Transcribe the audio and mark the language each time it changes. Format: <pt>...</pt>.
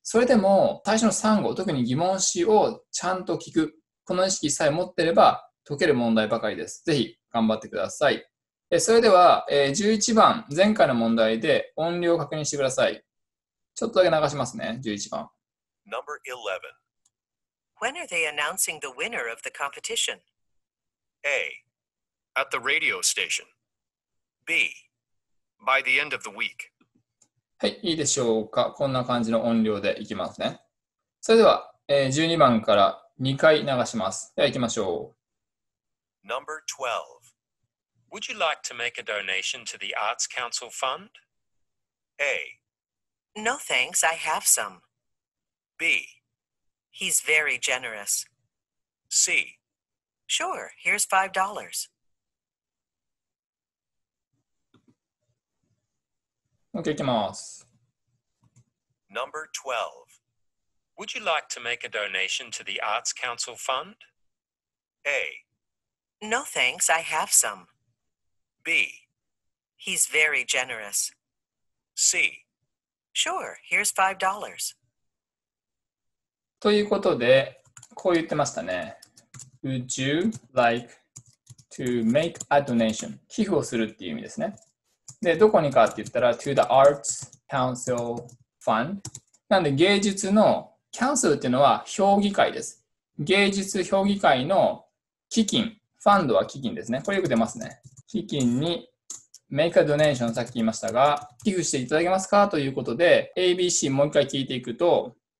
<ja>それでも、最初の3語、特に疑問詞をちゃんと聞く、この意識さえ持っていれば解ける問題ばかりです。ぜひ、頑張ってください。それでは、11番、前回の問題で音量を確認してください。ちょっとだけ流しますね、11番。</ja> <en>Number 11. When are they announcing the winner of the competition? A. At the radio station. B. By the end of the week.</en> <ja>はい、いいでしょうか。こんな感じの音量でいきますね。それでは、12番から2回流します。では、いきましょう。</ja> <en>Number 12. Would you like to make a donation to the Arts Council Fund? A. No thanks, I have some. B. He's very generous. C. Sure, here's $5.</en> <ja>OK, いきます。</ja> <en>Number 12. Would you like to make a donation to the Arts Council Fund? A. No thanks, I have some. B. He's very generous. C. Sure, here's $5.</en> <ja>ということで、こう言ってましたね。</ja> <en>Would you like to make a donation?</en> <ja>寄付をするっていう意味ですね。で、どこにかって言ったら、</ja> <en>to the Arts Council Fund。</en> <ja>なんで、芸術の Council っていうのは評議会です。芸術評議会の基金、ファンドは基金ですね。これよく出ますね。基金に</ja> <en>make a donation、</en> <ja>さっき言いましたが、寄付していただけますかということで、ABC もう一回聞いていくと、</ja>